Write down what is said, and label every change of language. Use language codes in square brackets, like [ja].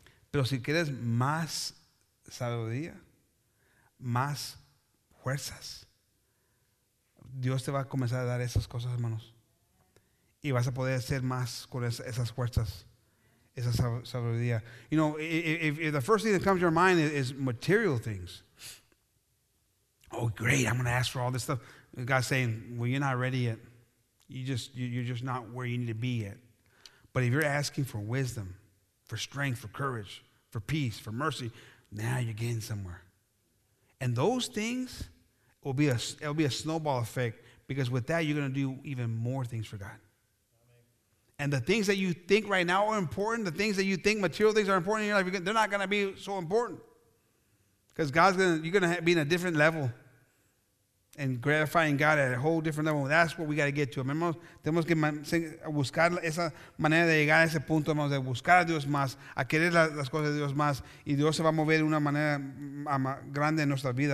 [es] Pero si quieres más sabiduría, más fuerzas, Dios te va a comenzar a dar esas cosas, hermanos. Y vas a poder hacer más con esas fuerzas. Esa sabiduría. [en] You know, if the first thing that comes to your mind is material things. Oh, great, I'm going to ask for all this stuff. God's saying, well, you're not ready yet. You're just not where you need to be yet. But if you're asking for wisdom, for strength, for courage, for peace, for mercy, now you're getting somewhere. And those things, it'll be a snowball effect, because with that, you're going to do even more things for God. And the things that you think right now are important, the things that you think material things are important in your life, they're not going to be so important. Because God's going to, you're going to be in a different level and gratifying God at a whole different level. That's what we got to get to. [es] Hermanos, tenemos que buscar esa manera de llegar a ese punto, hermanos, de buscar a Dios más, a querer las cosas de Dios más, y Dios se va a mover de una manera grande en nuestra vida.